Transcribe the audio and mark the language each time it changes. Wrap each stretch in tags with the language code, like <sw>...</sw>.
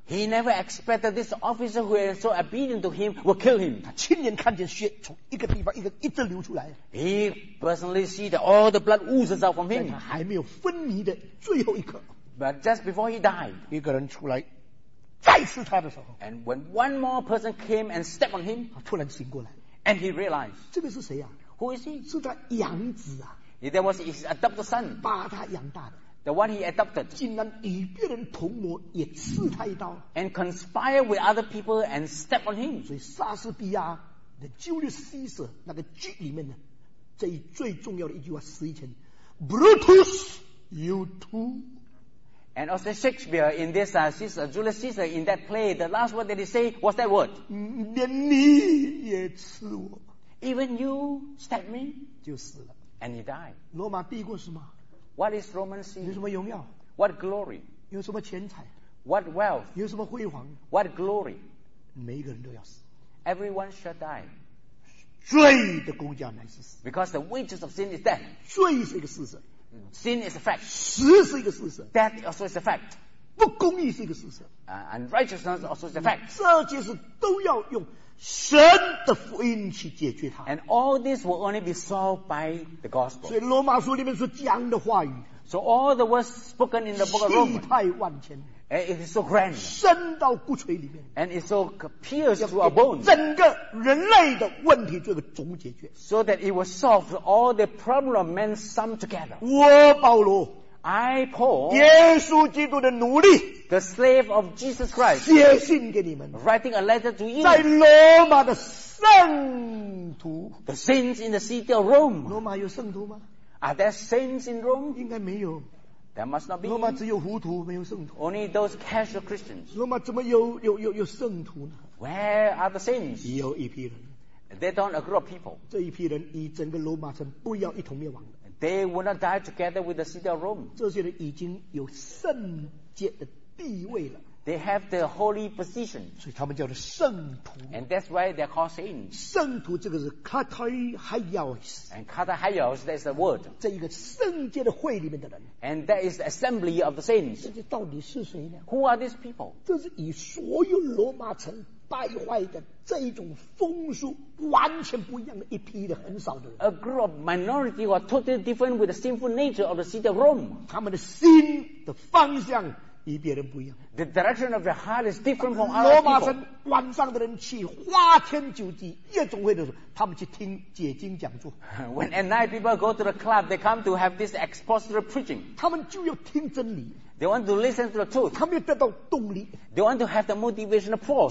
<en>He never expected this officer who is so obedient to him will kill him.</en> <zh>他亲眼看见血从一个地方一个一直流出来。</zh> <en>He personally see that all the blood oozes out from him.</en> <zh>在他还没有昏迷的最后一刻。</zh> <en>But just before he died,</en> <zh>一个人出来再刺他的时候。</zh> <en>And when one more person came and stepped on him,</en> <zh>他突然醒过来。</zh> <en>And he realized,</en> <zh>这个是谁啊</zh> <en>？Who is he？</en> <zh>是他养子啊。</zh> <en>That was his adopted son.</en> <zh>把他养大的。</zh> <en>The one he adopted,</en> <zh>竟然与别人同谋，也刺他一刀</zh> <en>，and conspire with other people and step on him.</en> <zh>所以莎士比亚的 Julius Caesar 那个剧里面呢，这一最重要的一句话死前 ，</zh> <en>Brutus, you too. And also Shakespeare in this Caesar, Julius Caesar in that play, the last word that he say was that word.</en> <zh>连你也刺我</zh> <en>，even you stab me,</en> <zh>就死了</zh> <en>，and he died.</en> <zh>罗马帝国是吗？</zh> <en>What is Roman Caesar?</en> <zh>有什么荣耀</zh> <en>？What glory?</en> <zh>有什么钱财</zh> <en>？What wealth?</en> <zh>有什么辉煌</zh> <en>？What glory?</en> <zh>每一个人都要死。</zh> <en>Everyone shall die.</en> <zh>罪的工价乃是死。</zh> <en>Because the wages of sin is death.</en> <zh>罪是一个事实。</zh> <en>Sin is a fact.</en> <zh>死是一个事实。</zh> <en>Death also is a fact.</en> <zh>不公义是一个事实。</zh> <en>Unrighteousness also is a fact.</en> <zh>这些事都要用神的福音去解决它。</zh> <en>And all this will only be solved by the gospel.</en> <zh>所以罗马书里面所讲的话语。</zh> <en>So all the words spoken in the book of Romans.</en> <zh>气派万千。</zh> <en>And it is so grand.</en> <zh>深到骨髓里面。</zh> <en>And it's so pierced through our bones.</en> <zh>整个人类的问题做一个总解决。</zh> <en>So that it will solve all the problem of men sum together.</en> <zh>我保罗。</zh> <en>I Paul.</en> <zh>耶稣基督的奴隶。</zh> <en>The slave of Jesus Christ,</en> <zh>写信给你们</zh> <en>writing a letter to you.</en> <zh>在罗马的圣徒</zh> <en>the saints in the city of Rome.</en> <zh>罗马有圣徒吗</zh> <en>Are there saints in Rome?</en> <zh>应该没有</zh> <en>There must not be.</en> <zh>罗马只有糊涂没有圣徒</zh> <en>Only those casual Christians.</en> <zh>罗马怎么有圣徒呢</zh> <en>Where are the saints?</en> <zh>有一批人</zh> <en>They don't agree with people.</en> <zh>这一批人与整个罗马城不要一同灭亡的</zh> <en>They will not die together with the city of Rome.</en> <zh>这些人已经有圣洁的地位了</zh> <en>They have the holy position.</en> <zh>所以他们叫做圣徒</zh> <en>And that's why they're called saints.</en> <zh>圣徒这个是 kataios.</zh> <en>And kataios, that's the word.</en> <zh>这一个圣洁的会里面的人</zh> <en>And that is the assembly of the saints.</en> <zh>这到底是谁呢</zh> <en>Who are these people?</en> <zh>这是以所有罗马城败坏的这一种风俗完全不一样的一批的很少的人</zh> <en>A group of minority who are totally different with the sinful nature of the city of Rome.</en> <zh>他们的心的方向与别人不一样。</zh> <en>The direction of your heart is different from other people.</en> <zh>罗马城晚上的人去花天酒地夜总会的时候，他们去听解经讲座。</zh> <en>When at night people go to the club, they come to have this expository preaching.</en> <zh>他们就要听真理。</zh> <en>They want to listen to the truth.</en> <zh>他们要得到动力。</zh> <en>They want to have the motivation of force.</en>